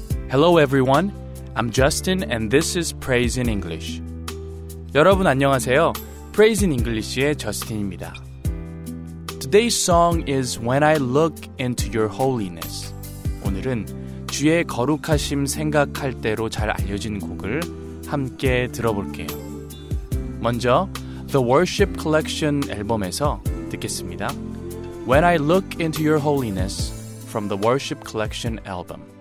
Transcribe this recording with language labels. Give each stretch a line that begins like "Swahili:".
English: Hello everyone, I'm Justin and this is Praise in English.
Korean: 여러분 안녕하세요. Praise in English의 저스틴입니다.
English: Today's song is When I Look Into Your Holiness.
Korean: 오늘은 주의 거룩하심 생각할 때로 잘 알려진 곡을 함께 들어볼게요. 먼저 The Worship Collection 앨범에서 듣겠습니다.
English: When I Look Into Your Holiness from the Worship Collection album.